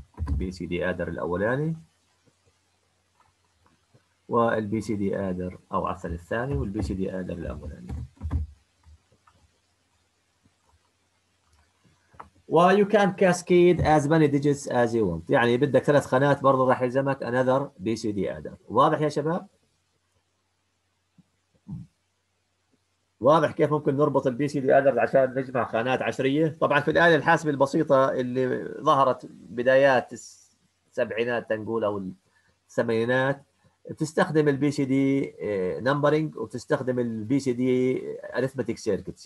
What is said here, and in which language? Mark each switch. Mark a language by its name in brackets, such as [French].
[Arabic] BCD adder الأولاني وال BCD adder أو عفوا الثاني وال BCD adder الأولاني. [English] Well, you can cascade as many digits as you want. [Arabic] يعني بدك ثلاث خانات برضه راح يلزمك [English] another BCD adder. [Arabic] واضح يا شباب؟ واضح كيف ممكن نربط ال BCD adder عشان نجمع خانات عشرية؟ طبعا في الآلة الحاسبة البسيطة اللي ظهرت بدايات السبعينات تنقول أو الثمانينات بتستخدم ال BCD numbering وبتستخدم ال BCD arithmetic circuits.